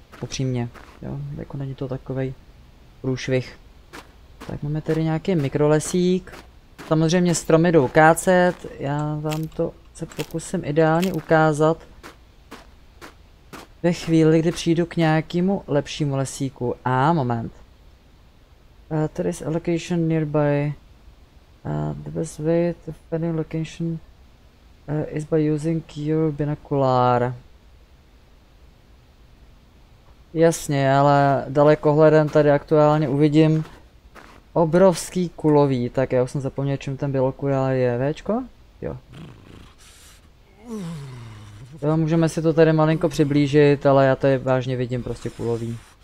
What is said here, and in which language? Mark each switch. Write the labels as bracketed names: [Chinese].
[Czech] Upřímně, jo, jako není to takovej průšvih. Tak máme tady nějaký mikrolesík. Samozřejmě stromy jdou kácet, já vám to se pokusím ideálně ukázat ve chvíli, kdy přijdu k nějakému lepšímu lesíku. A moment. [English] There is a location nearby. The best way to find a location is by using your binocular. [Czech] Jasně, ale dalekohledem tady aktuálně uvidím obrovský kulový, tak já už jsem zapomněl, čím ten bilokulár je. Véčko? Jo. Jo, můžeme si to tady malinko přiblížit, ale já tady vážně vidím prostě kulový.